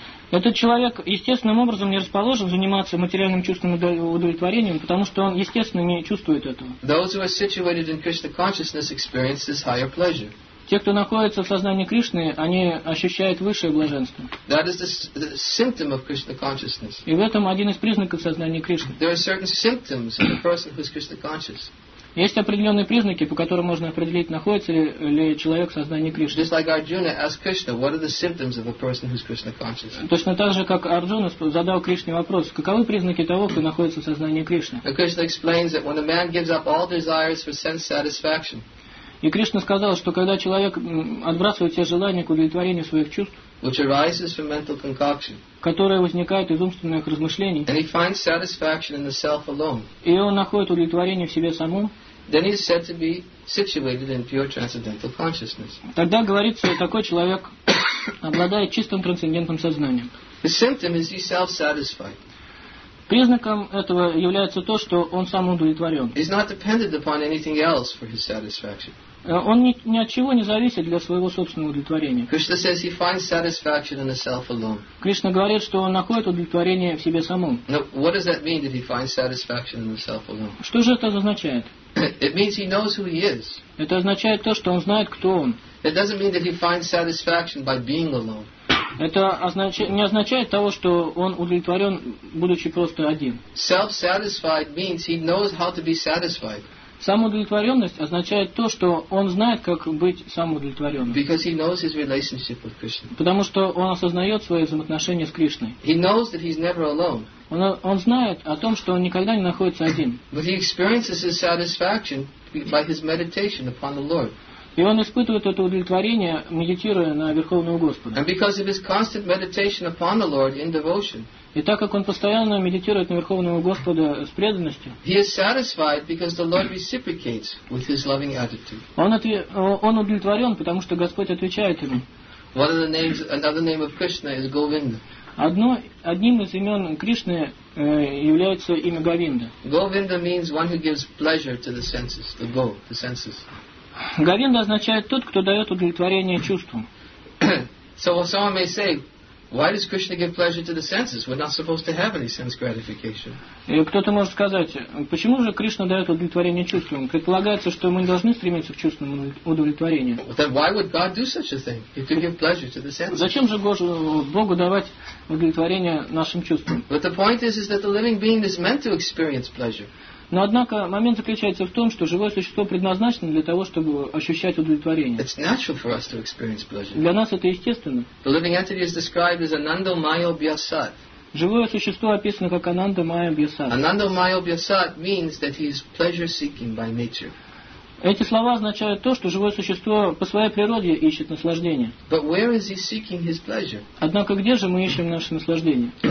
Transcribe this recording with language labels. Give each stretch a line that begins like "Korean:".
Russian: Этот человек естественным образом не расположен заниматься материальным чувством удовлетворением, потому что он естественно не чувствует этого.
English: Those who are situated in Krishna consciousness experience this higher pleasure.
Russian: Те, кто находится в сознании Кришны, они ощущают высшее блаженство.
English: That is the symptom of Krishna consciousness.
Russian: И в этом один из признаков сознания Кришны.
English: There are certain symptoms of a person who is Krishna conscious.
Russian: Есть определенные признаки, по которым можно определить, находится ли человек в сознании Кришны.
English: Just like Arjuna asked Krishna, what are the symptoms of a person who's Krishna conscious?
Russian: Точно так же, как Арджуна задал Кришне вопрос, каковы признаки того, кто находится в сознании Кришны?
English: And Krishna explains that when a man gives up all desires for sense satisfaction.
Russian: И Кришна сказал, что когда человек отбрасывает все желания к удовлетворению своих чувств,
English: which arises from mental concoction,
Russian: которые возникают из умственных размышлений,
English: and he finds satisfaction in the self alone,
Russian: и он находит удовлетворение в себе самом,
English: then he is said to be situated in pure transcendental consciousness.
Russian: Тогда говорится, такой человек обладает чистым трансцендентным сознанием.
English: The symptom is he's self-satisfied.
Russian: Признаком этого является то, что он сам удовлетворен.
English: He's not dependent upon anything else for his satisfaction.
Russian: Он ни от чего не зависит для своего собственного удовлетворения.
English: Krishna says he finds satisfaction in the self alone.
Russian: Кришна говорит, что он находит удовлетворение в себе самом.
English: Now, what does that mean that he finds satisfaction in the self alone?
Russian: Что же это означает?
English: It means he knows who he is.
Russian: Это означает то, что он знает, кто он.
English: It doesn't mean that he finds satisfaction by being alone.
Russian: Это не означает того, что он удовлетворен, будучи просто один.
English: Self-satisfied means he knows how to be satisfied.
Russian: Самоудовлетворенность означает то, что он знает, как быть самоудовлетворенным.
English: Because he knows his relationship with Krishna.
Russian: Потому что он осознает свои взаимоотношения с Кришной.
English: He knows that he's never alone.
Russian: Он знает о том, что он никогда не находится один.
English: But he experiences his satisfaction by his meditation upon the Lord.
Russian: И он испытывает это удовлетворение, медитируя на Верховного Господа. И так как он постоянно медитирует на Верховного Господа с преданностью, он удовлетворен, потому что Господь отвечает ему. Одним из имен Кришны является имя Говинда.
English: Говинда means one who gives pleasure to the senses, the go, the senses.
Russian: Говинда означает тот, кто дает удовлетворение чувствам.
English: So someone may say, why does Krishna give pleasure to the senses? We're not supposed to have any sense gratification.
Russian: И кто-то может сказать, почему же Кришна дает удовлетворение чувствам? Предполагается, что мы должны стремиться к чувственному удовлетворению.
English: Then why would God do such a thing? He could give pleasure to the senses.
Russian: Зачем же Богу давать удовлетворение нашим чувствам?
English: But the point is that the living being is meant to experience pleasure.
Russian: Но однако момент заключается в том, что живое существо предназначено для того, чтобы ощущать удовлетворение.
English: It's natural for us to experience pleasure.
Russian: Для нас это естественно.
English: The living entity is described as Ananda Maya Vyasat.
Russian: Живое существо описано как Ананда Майя Бьясад.
English: Ananda Maya Vyasat means that he is pleasure seeking by nature.
Russian: Эти слова означают то, что живое существо по своей природе ищет наслаждение.
English: But where is he seeking his pleasure?
Russian: Однако где же мы ищем наше наслаждение?